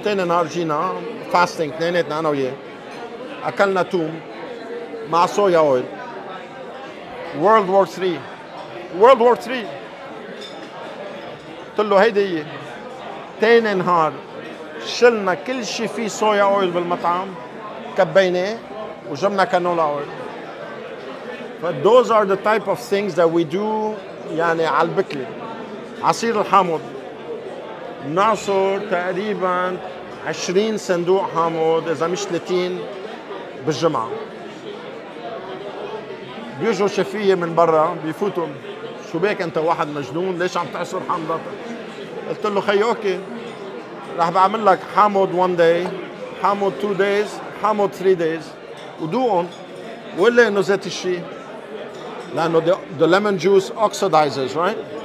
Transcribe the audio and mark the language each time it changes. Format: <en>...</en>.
<ar>تاني نهار جينا فاستنج تنيناتنا أنا وياه, أكلنا ثوم مع صويا أويل.</ar> <en>World War 3, World War 3.</en> <ar>قلت له هيدي هي. تاني نهار شلنا كل شيء فيه صويا أويل بالمطعم, كبيني وجبنا كانولا اويل.</ar> <en>But those are the type of things that we do,</en> <ar>يعني على البكلي عصير الحامض بنعصر تقريبا 20 صندوق حامض اذا مش 30 بالجمعه. بيجوا شفية من برا بيفوتوا، شو بيك انت واحد مجنون ليش عم تعصر حامض؟ قلت له خي اوكي رح بعمل لك حامض 1 داي، حامض 2 دايز، حامض 3 دايز ودوقهم وقول لي انه زيت الشيء، لانه</ar> <en>the lemon juice oxidizes right.</en>